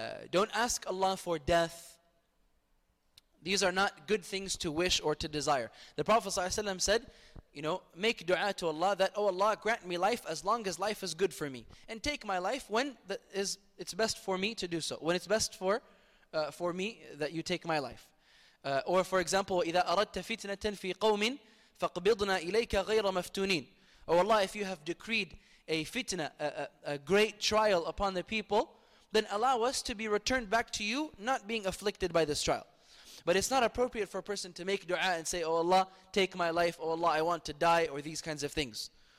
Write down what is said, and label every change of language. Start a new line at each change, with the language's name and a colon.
English: Don't ask Allah for death. These are not good things to wish or to desire. The Prophet ﷺ said, make dua to Allah that, oh Allah, grant me life as long as life is good for me. And take my life when it's best for me to do so. When it's best for me that you take my life. Or for example,
Arabic: إِذَا أَرَدْتَ فِتْنَةً فِي قَوْمٍ فَقْبِضْنَا إِلَيْكَ غَيْرَ مَفْتُونِينَ.
English: Oh Allah, if you have decreed a fitna, a great trial upon the people, then allow us to be returned back to you, not being afflicted by this trial. But it's not appropriate for a person to make dua and say, oh Allah, take my life, oh Allah, I want to die, or these kinds of things.